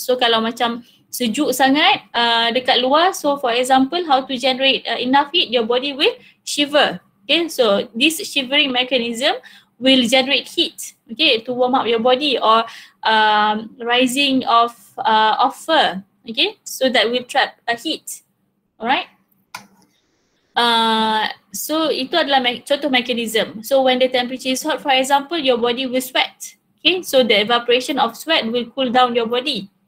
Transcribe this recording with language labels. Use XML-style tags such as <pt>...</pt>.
<en>So</en> <ms>kalau macam sejuk sangat dekat luar,</ms> <en>so for example, how to generate enough heat, your body will shiver. Okay, so this shivering mechanism will generate heat, okay, to warm up your body, or rising of fur, okay, so that will trap a heat, alright.</en> <ms>So itu adalah contoh mechanism.</ms> <en>So when the temperature is hot, for example, your body will sweat, okay, so the evaporation of sweat will cool down your body.</en>